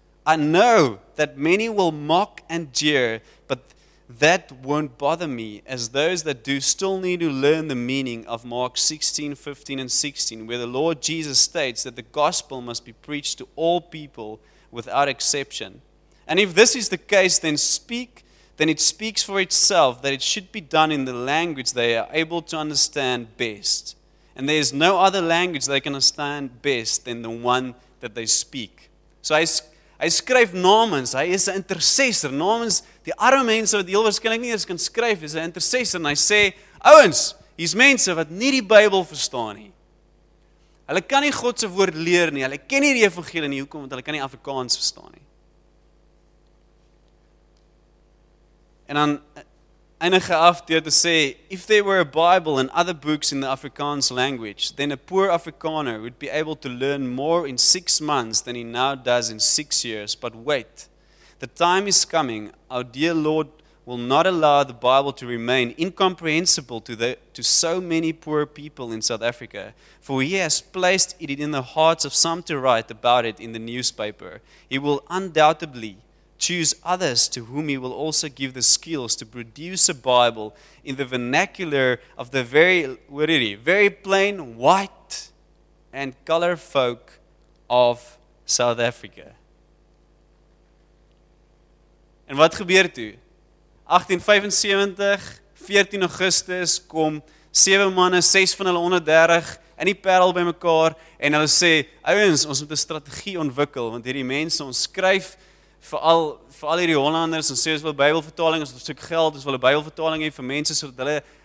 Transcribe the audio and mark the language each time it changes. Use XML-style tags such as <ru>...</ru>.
<en>I know that many will mock and jeer, but that won't bother me, as those that do still need to learn the meaning of Mark 16, 15, and 16, where the Lord Jesus states that the gospel must be preached to all people without exception. And if this is the case, then it speaks for itself that it should be done in the language they are able to understand best. And there is no other language they can understand best than the one that they speak.</en> <af>So hy skryf namens, hy is 'n intercessor, namens die arme mense wat heel waarskynlik nie eens kan skryf, is 'n intercessor, en hy sê, ouens, hier's mense wat nie die Bybel verstaan nie. Hulle kan nie God se woord leer nie, hulle ken nie die evangelie nie, hoekom, want hulle kan nie Afrikaans verstaan nie. En dan eindig af deur te sê,</af> <en>if there were a Bible and other books in the Afrikaans language, then a poor Afrikaner would be able to learn more in 6 months than he now does in 6 years. But wait, the time is coming. Our dear Lord will not allow the Bible to remain incomprehensible to so many poor people in South Africa, for he has placed it in the hearts of some to write about it in the newspaper. He will undoubtedly choose others to whom he will also give the skills to produce a Bible in the vernacular of the very plain white and color folk of South Africa.</en> <af>En wat gebeur toe? 1875, 14 Augustus, kom 7 manne, 6 van hulle 130, in die Parel by mekaar, en hulle sê, ouens, ons moet 'n strategie ontwikkel, want hierdie mense, ons skryf vir al hierdie Hollanders, en sê ons wil Bybelvertaling, ons soek geld, ons wil 'n Bybelvertaling hê vir mense, sodat hulle</af>